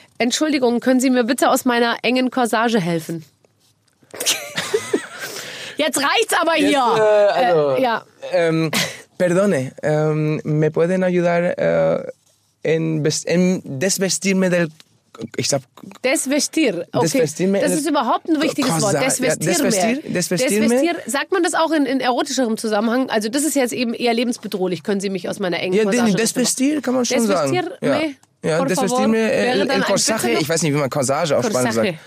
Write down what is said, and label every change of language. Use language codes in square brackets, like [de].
[de] Entschuldigung, können Sie mir bitte aus meiner engen Corsage helfen? Jetzt reicht's aber hier. Jetzt, ja. [es] Perdone, me pueden ayudar en desvestirme del... [de] Ich sag, [es] desvestir. Okay. Desvestirme. [de] Das ist überhaupt ein wichtiges Wort. Desvestir. Sagt man das auch in erotischerem Zusammenhang? Also das ist jetzt eben eher lebensbedrohlich. Können Sie mich aus meiner engen Corsage... Ja, desvestir kann man schon sagen. [es] Desvestirme. Ja. Ja, desvestirme el corsage. [de] Ich weiß nicht, wie man Corsage auf Spanisch sagt.